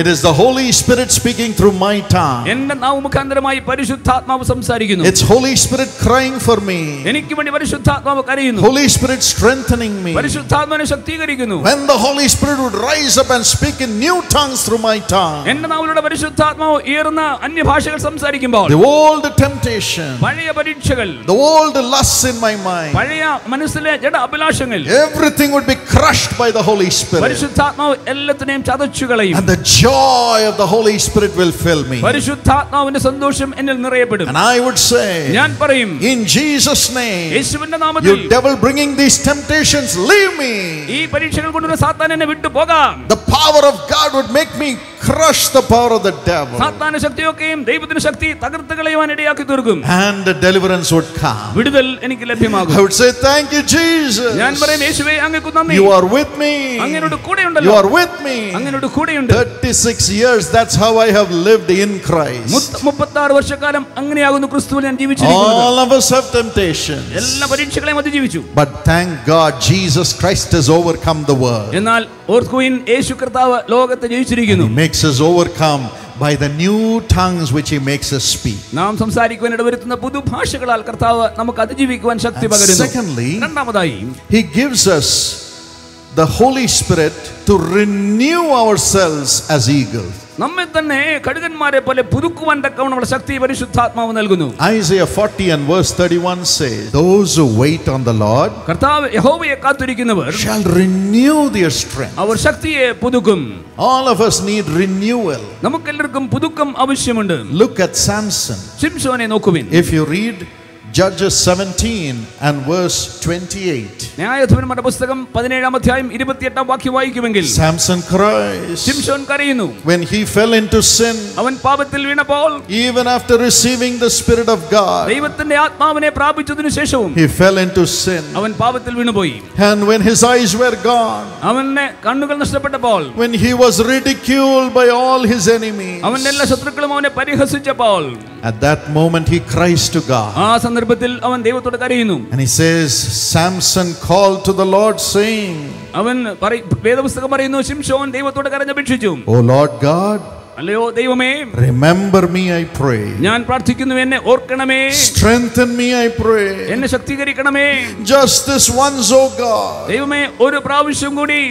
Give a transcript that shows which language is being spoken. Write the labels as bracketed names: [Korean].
[English] It is the Holy Spirit speaking through my tongue. [Malayalam] എൻ്റെ നാവുമുഖാന്തരമായി പരിശുദ്ധാത്മാവ് സംസാരിക്കുന്നു. [English] It's Holy Spirit crying for me. [Malayalam] എനിക്ക് വേണ്ടി പരിശുദ്ധാത്മാവ് കരയുന്നു. [English] Holy Spirit strengthening me. [Malayalam] പരിശുദ്ധാത്മാവ് എന്നെ ശക്തീകരിക്കുന്നു. [English] When the Holy Spirit would rise up and speak in new tongues through my tongue. [Malayalam] എൻ്റെ നാവിലൂടെ പരിശുദ്ധാത്മാവ് ഉയർന്ന അന്യ ഭാഷകൾ സംസാരിക്കുമ്പോൾ [English] The old temptation. [Malayalam] പഴയ പരീക്ഷകൾ. [English] The old lusts in my mind. [Malayalam] പഴയ മനസ്സിലെ ജഡ അഭിലാഷങ്ങൾ. [English] Everything would be crushed by the Holy Spirit. [Malayalam] പരിശുദ്ധാത്മാവ് എല്ലാത്തിനെയും ചതച്ചു കളയും. [English] And the joy of the Holy Spirit will fill me. [Malayalam] പരിശുദ്ധാത്മാവിന്റെ സന്തോഷം എന്നിൽ നിറയപ്പെടും. [English] And I would say. [Malayalam] ഞാൻ പറയും. [English] In Jesus name. [Malayalam] യേശുവിന്റെ നാമത്തിൽ. [English] You devil bringing these temptations leave me. [Malayalam] ഈ പരീക്ഷകൾ കൊണ്ടുള്ള സാത്താൻ എന്നെ വിട്ടു പോകാം. [English] The power of God would make me crush the power of the devil. [Malayalam] സാത്താന്റെ ശക്തിയൊക്കെയും ദൈവത്തിന്റെ ശക്തി തകർത്തു കളയുവാൻ ഇടയാക്കി തീർക്കും. [English] And the deliverance would come. [Malayalam] വിടുതൽ എനിക്ക് ലഭ്യമാകും. [English] I would say thank you Jesus. [Malayalam] ഞാൻ പറയും, യേശുവേ അങ്ങേക്ക് നന്ദി. [English] You are with me. [Malayalam] അങ്ങേരോട് കൂടെയുണ്ടല്ലോ. [English] You are with me. [Malayalam] അങ്ങേരോട് കൂടെയുണ്ട്. [English] 36 years, that's how I have lived in Christ. [Malayalam] 36 വർഷക്കാലം അങ്ങനെയാകുന്നു ക്രിസ്തുവിൽ ഞാൻ ജീവിച്ചിരിക്കുന്നത്. [English] All of us have temptations. [Malayalam] എല്ലാ പരീക്ഷകളെയും അതിജീവിച്ചു. [English] But thank God Jesus Christ has overcome the world. [Malayalam] എന്നാൽ ഓർക്കുവിൻ, യേശു കർത്താവ് ലോകത്തെ ജയിച്ചിരിക്കുന്നു. [English] He makes us overcome by the new tongues which he makes us speak. [Malayalam] നാം സംസാരിക്കുവാൻ ഇടവരുത്തുന്ന പുതു ഭാഷകളാൽ കർത്താവ് നമുക്ക് അതിജീവിക്കുവാൻ ശക്തി പകരുന്നു. [English] Secondly, [Malayalam] രണ്ടാമതായി, [English] he gives us the Holy Spirit to renew ourselves as eagles. [Malayalam] നമ്മെ തന്നെ കടുകന്മാരെ പോലെ പുതുക്കുവാൻ തക്കവണ്ണമുള്ള ശക്തി പരിശുദ്ധാത്മാവ് നൽകുന്നു. [English] Isaiah 40 and verse 31 says, those who wait on the Lord, [Malayalam] കർത്താവ് യഹോവയെ കാത്തിരിക്കുന്നവർ, [English] shall renew their strength. [Malayalam] അവർ ശക്തിയെ പുതുക്കും. [English] All of us need renewal. [Malayalam] നമുക്കെല്ലാവർക്കും പുതുക്കം ആവശ്യമുണ്ട്. [English] Look at Samson. [Malayalam] ശിംശോനെ നോക്കുവിൻ. [English] If you read Judges 17 and verse 28. [Malayalam] ന്യായാധിപന്മാരുടെ പുസ്തകം 17 അധ്യായം 28 വാക്യം വായിക്കുമെങ്കിൽ [English] Samson cries. [Malayalam] ശിംശോൻ കരയുന്നു. [English] When he fell into sin. [Malayalam] അവൻ പാപത്തിൽ വീണപ്പോൾ. [English] Even after receiving the spirit of God. [Malayalam] ദൈവത്തിന്റെ ആത്മാവിനെ പ്രാപിച്ചതിനു ശേഷവും. [English] He fell into sin. [Malayalam] അവൻ പാപത്തിൽ വീണുപോയി. [English] And when his eyes were gone. [Malayalam] അവന്റെ കണ്ണുകൾ നഷ്ടപ്പെട്ടപ്പോൾ. [English] When he was ridiculed by all his enemies. [Malayalam] അവന്റെ എല്ലാ ശത്രുക്കളും അവനെ പരിഹസിച്ചപ്പോൾ. [English] At that moment he cries to God. [Malayalam] സന്ദർഭത്തിൽ അവൻ ദൈവത്തോട് കരയുന്നു. [English] And he says, Samson called to the Lord saying, [Malayalam] അവൻ വേദപുസ്തകം പറയുന്നു, ശിംശോൻ ദൈവത്തോട് കരഞ്ഞപേക്ഷിച്ചു. [English] Oh Lord God, [Malayalam] അല്ലയോ ദൈവമേ, [English] remember me, I pray. [Malayalam] ഞാൻ പ്രാർത്ഥിക്കുന്നു, എന്നെ ഓർക്കണമേ. [English] Strengthen me, I pray. [Malayalam] എന്നെ ശക്തീകരിക്കണമേ. [English] Just this once, oh God. [Malayalam] ദൈവമേ, ഒരു പ്രാവശ്യം കൂടി.